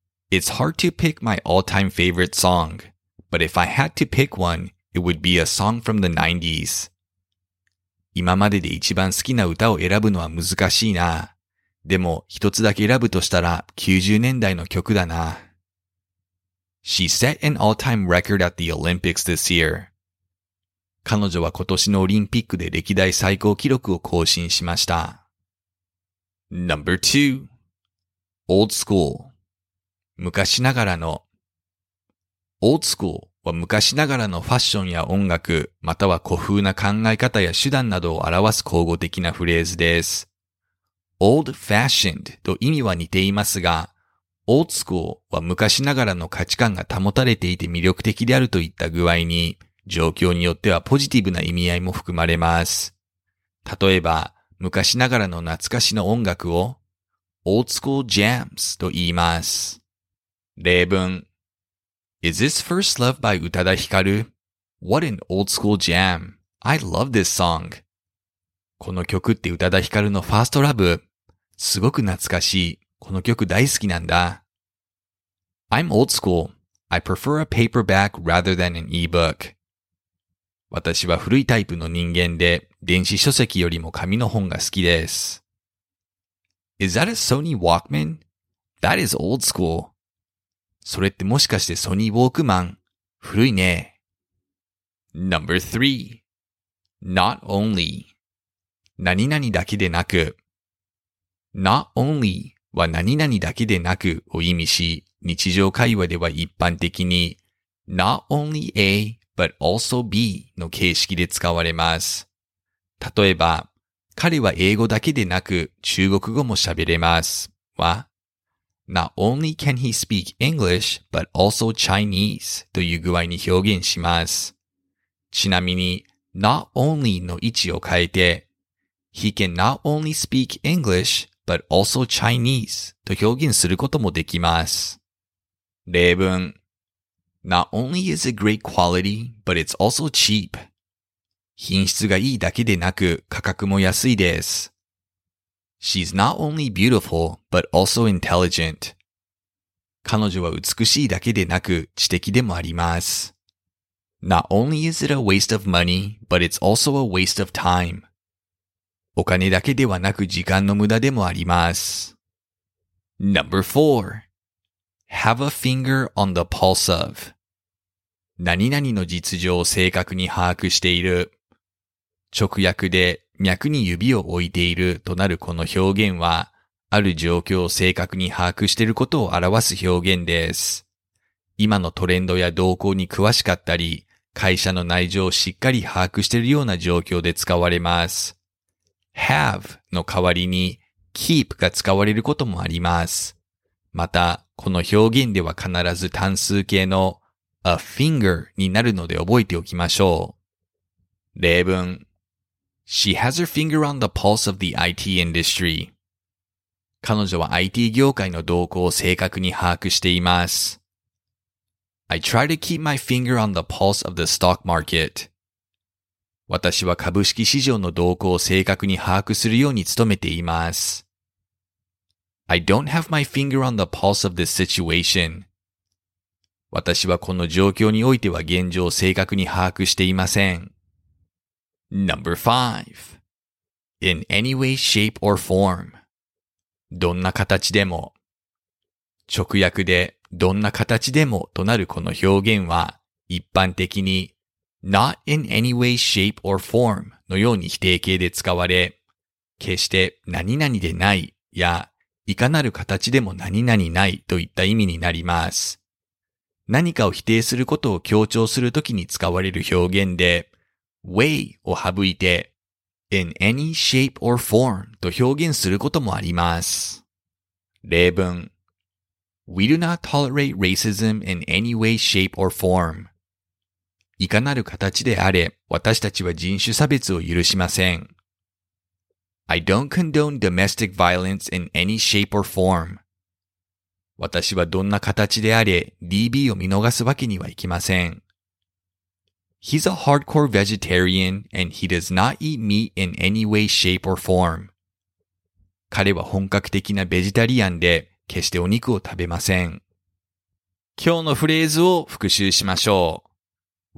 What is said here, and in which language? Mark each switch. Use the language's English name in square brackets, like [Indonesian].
[English] It's hard to pick my all time favorite song, but if I had to pick one, it would be a song from the 90s. [Japanese] 今までで一番好きな歌を選ぶのは難しいな。でも一つだけ選ぶとしたら90年代の曲だな。 [English] She set an all-time record at the Olympics this year. [Japanese] 彼女は今年のオリンピックで歴代最高記録を更新しました。 [English] Number two. Old school. [Japanese] 昔ながらの。 [English] Old school. [Japanese] は昔ながらのファッションや音楽、または古風な考え方や手段などを表す口語的なフレーズです。 [English] Old fashioned [Japanese] と意味は似ていますが、 [English] Old school [Japanese] は昔ながらの価値観が保たれていて魅力的であるといった具合に、状況によってはポジティブな意味合いも含まれます。例えば、昔ながらの懐かしの音楽を [English] Old school jams [Japanese] と言います。例文 [English] Is this First Love by 宇多田ヒカル? What an old school jam. I love this song. [Japanese] この曲って宇多田ヒカルのファーストラブ。すごく懐かしい。この曲大好きなんだ。 [English] I'm old school. I prefer a paperback rather than an e-book. [Japanese] 私は古いタイプの人間で、電子書籍よりも紙の本が好きです。 [English] Is that a Sony Walkman? That is old school. [Japanese] それってもしかしてソニーウォークマン? 古いね。 [English] Number three. Not only. [Japanese] 何々だけでなく。 [English] Not only [Japanese] は何々だけでなくを意味し、日常会話では一般的に [English] Not only A, but also B [Japanese] の形式で使われます。例えば、彼は英語だけでなく中国語も喋れます。は? [English] Not only can he speak English, but also Chinese [Japanese] という具合に表現します。ちなみに、not only の位置を変えて、 [English] he can not only speak English, but also Chinese [Japanese] と表現することもできます。例文 [English] Not only is it great quality, but it's also cheap. [Japanese] 品質がいいだけでなく、価格も安いです。 [English] She's not only beautiful, but also intelligent. [Japanese] 彼女は美しいだけでなく知的でもあります。 [English] Not only is it a waste of money, but it's also a waste of time. [Japanese] お金だけではなく時間の無駄でもあります。 [English] Number four. Have a finger on the pulse of. [Japanese] 何々の実情を正確に把握している。直訳で脈に指を置いているとなるこの表現は、ある状況を正確に把握していることを表す表現です。今のトレンドや動向に詳しかったり、会社の内情をしっかり把握しているような状況で使われます。 have の代わりに keep が使われることもあります。また、この表現では必ず単数形の a finger になるので覚えておきましょう。例文。 [English] She has her finger on the pulse of the IT industry. [Japanese] 彼女は IT 業界の動向を正確に把握しています。 [English] I try to keep my finger on the pulse of the stock market. [Japanese] 私は株式市場の動向を正確に把握するように努めています。 [English] I don't have my finger on the pulse of this situation. [Japanese] 私はこの状況においては現状を正確に把握していません。 [English] Number 5. In any way, shape, or form. [Japanese] どんな形でも。直訳でどんな形でもとなるこの表現は一般的に [English] not in any way, shape, or form [Japanese] のように否定形で使われ、決して何々でないやいかなる形でも何々ないといった意味になります。何かを否定することを強調するときに使われる表現で、way を省いて [English] in any shape or form [Japanese] と表現することもあります。例文 [English] We do not tolerate racism in any way, shape or form. [Japanese] いかなる形であれ、私たちは人種差別を許しません。 [English] I don't condone domestic violence in any shape or form. [Japanese] 私はどんな形であれ、DB を見逃すわけにはいきません。 [English] He's a hardcore vegetarian and he does not eat meat in any way, shape or form. [Japanese] 彼は本格的なベジタリアンで決してお肉を食べません。今日のフレーズを復習しましょう。